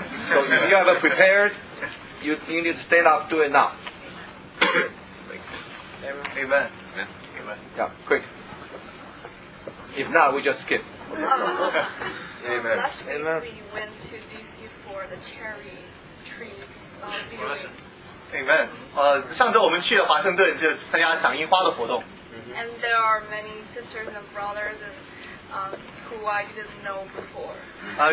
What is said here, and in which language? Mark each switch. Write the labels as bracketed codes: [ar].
[en] So if you haven't prepared, you need to stand up, do it now. Amen. Yeah. Amen. Yeah, quick. If not, we just skip. Amen. Last week Amen. We went to DC for the cherry trees. Amen. [zh] 上周我们去了华盛顿，就参加赏樱花的活动。 [en] And there are many sisters and brothers who I didn't know before.